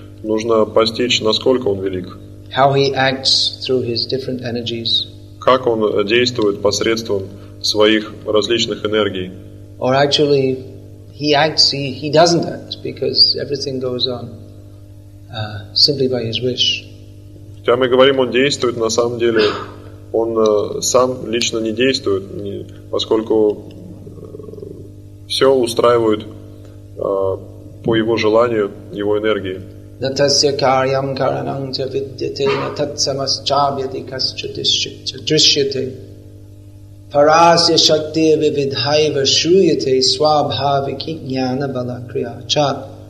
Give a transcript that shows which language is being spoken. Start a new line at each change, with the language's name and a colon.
Russian: Нужно постичь, насколько он велик.
English: How he acts through his different energies.
Russian: Как он действует посредством своих различных энергий.
English: Or actually, he acts, he doesn't act, because everything goes on simply by his wish.
Russian: Хотя мы говорим, он действует, на самом деле, он сам лично не действует, поскольку все устраивают по его желанию, его энергии.
Sanskrit: Натасья карьям каранам ча видьяте нататсамас чабьяти касчудишьяте парасья шаттия вивидхайва шуйяте свабхави кикняна балакрия ча.